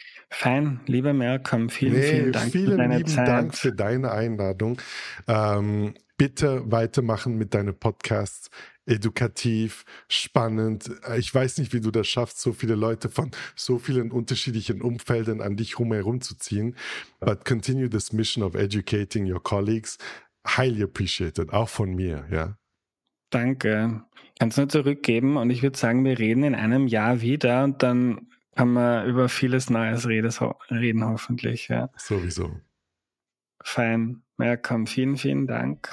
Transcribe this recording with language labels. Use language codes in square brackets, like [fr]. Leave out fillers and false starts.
[de] Fein, lieber Malcolm, vielen Dank für deine Einladung. Bitte weitermachen mit deinem Podcast. Edukativ, spannend. Ich weiß nicht, wie du das schaffst, so viele Leute von so vielen unterschiedlichen Umfeldern an dich rumherum zu ziehen. [en] But continue this mission of educating your colleagues. Highly appreciated, [de] auch von mir. Ja. Danke. Kannst du nur zurückgeben und ich würde sagen, wir reden in einem Jahr wieder und dann haben wir über vieles Neues reden hoffentlich, ja. Sowieso. Fein. Malcolm, vielen, vielen Dank.